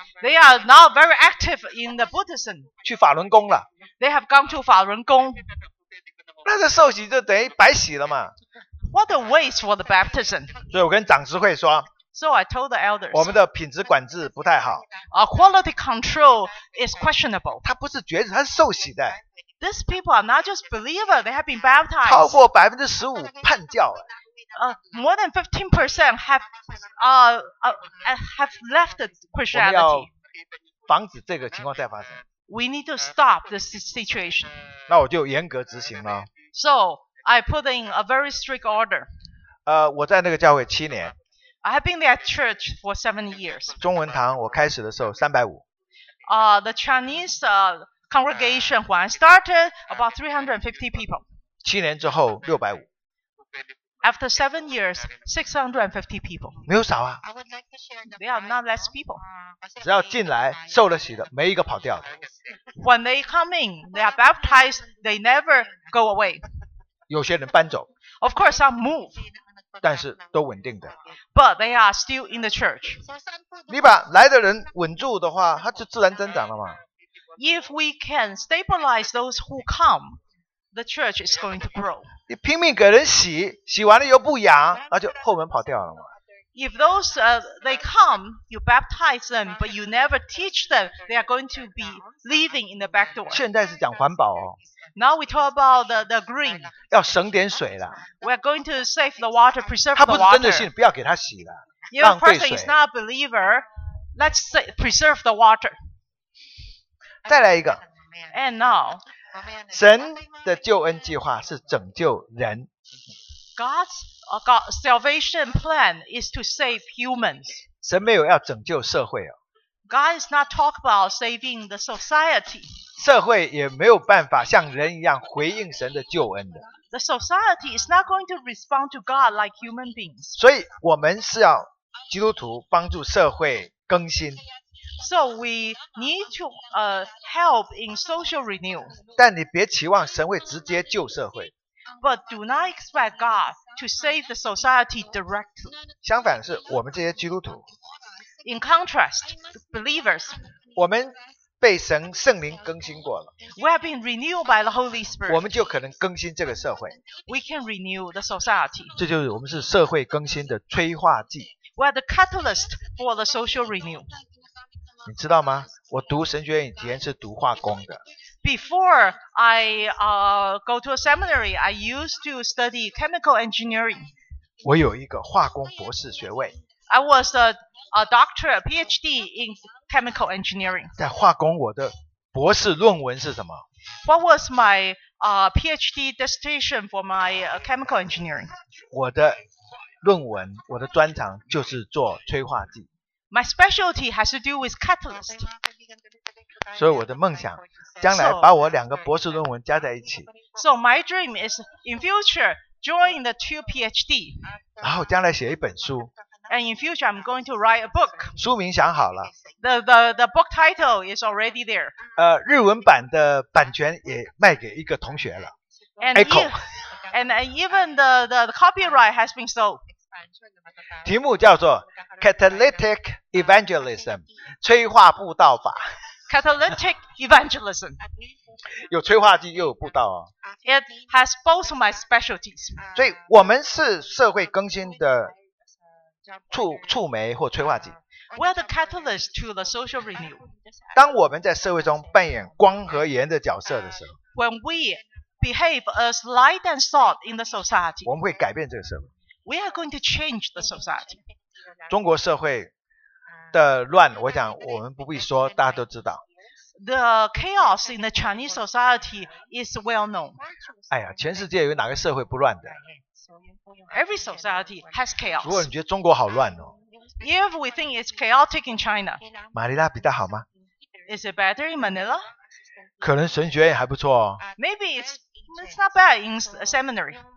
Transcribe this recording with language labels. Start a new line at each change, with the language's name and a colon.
English: They are now very active in the Buddhism.
Chinese: 去法轮功了。
English: They have gone to 法轮功。
Chinese: 那这受洗就等于白洗了嘛。
English: What a waste for the baptism.
Chinese: 所以我跟长执会说。
English: So I told the elders.
Chinese: 我们的品质管制不太好。
English: Our quality control is questionable.
Chinese: 他不是觉得他是受洗的。
English: These people are not just believers, they have been baptized.
Chinese: 超过 15% 叛教了。
English: More than 15% have left the Christianity.
Chinese: 我们要防止这个情况再发生。
English: We need to stop this situation.
Chinese: 那我就严格执行了。
English: So I put in a very strict order.
Chinese: 我在那个教会七年。
English: I have been there at church for 7 years.
Chinese: 中文堂我开始的时候350。
English: The Chinese congregation when I started about 350 people.
Chinese: 七年之后650。
English: After 7 years, 650 people.
Chinese: 没有少啊。
English: They are not less people.
Chinese: 只要进来受了洗的，没一个跑掉的。
English: When they come in, they are baptized, they never go away.
Chinese: 有些人搬走。
English: Of course, some move.
Chinese: 但是都稳定的。
English: But they are still in the church.
Chinese: 你把来的人稳住的话，他就自然增长了嘛。
English: If we can stabilize those who come, the church is going to grow.
Chinese: 你拼命给人洗，洗完了又不养，那就后门跑掉了嘛。
English: If those they come, you baptize them, but you never teach them, they are going to be living in the back door.
Chinese: 现在是讲环保哦。
English: Now we talk about the green.
Chinese: 要省点水了。
English: We are going to save the water, preserve the water.
Chinese: 他不是真的信，不要给他洗了，浪费水。
English: If a person is not a believer, let's say, preserve the water.
Chinese: 再来一个。
English: And now.
Chinese: 神的救恩计划是拯救人。
English: God's salvation plan is to save humans.
Chinese: 神没有要拯救社会哦。
English: God is not talk about saving the society.
Chinese: 社会也没有办法像人一样回应神的救恩的。
English: The society is not going to respond to God like human beings.
Chinese: 所以我们是要基督徒帮助社会更新。
English: So we need to help in social renewal.
Chinese: 但你别期望神会直接救社会。
English: But do not expect God to save the society directly.
Chinese: 相反是我们这些基督徒。
English: In contrast, believers.
Chinese: 我们被神圣灵更新过了。
English: We have been renewed by the Holy Spirit.
Chinese: 我们就可能更新这个社会。
English: We can renew the society.
Chinese: 这就是我们是社会更新的催化剂。
English: We are the catalyst for the social renewal.
Chinese: 你知道吗？我读神学院以前是读化工的。
English: Before I go to a seminary, I used to study chemical engineering.
Chinese: 我有一个化工博士学位。
English: I was a doctor, a PhD in chemical engineering.
Chinese: 在化工，我的博士论文是什么
English: ？What was my PhD dissertation for my chemical engineering?
Chinese: 我的论文，我的专长就是做催化剂。
English: My specialty has to do with catalyst.
Chinese: 所以我的梦想，将来把我两个博士论文加在一起。
English: So my dream is in future join the two PhD.
Chinese: 然后将来写一本书。
English: And in future I'm going to write a book.
Chinese: 书名想好了。
English: The book title is already there.
Chinese: 日文版的版权也卖给一个同学了。
English: And Echo. And even the copyright has been sold.
Chinese: 题目叫做 Catalytic Evangelism 催化布道法
English: Catalytic Evangelism
Chinese: 有催化剂又有布道、哦、
English: It has both my specialties
Chinese: 所以我们是社会更新的触媒或催化剂
English: We are the catalyst to the social renewal.
Chinese: 当我们在社会中扮演光和盐的角色的时候
English: When we behave as light and salt in the society,
Chinese: 我们会改变这个社会
English: We are going to change the society.
Chinese: 中国社会的乱，我想我们不必说，大家都知道。
English: The chaos in the Chinese society is well known.
Chinese: 哎呀，全世界有哪个社会不乱的？
English: Every society has chaos.
Chinese: 如果你觉得中国好乱哦。
English: If we think it's chaotic in China.
Chinese: 马尼拉比较好吗？
English: Is it better in Manila?
Chinese: 可能神学院还不错哦。
English: Maybe it's not bad in a seminary.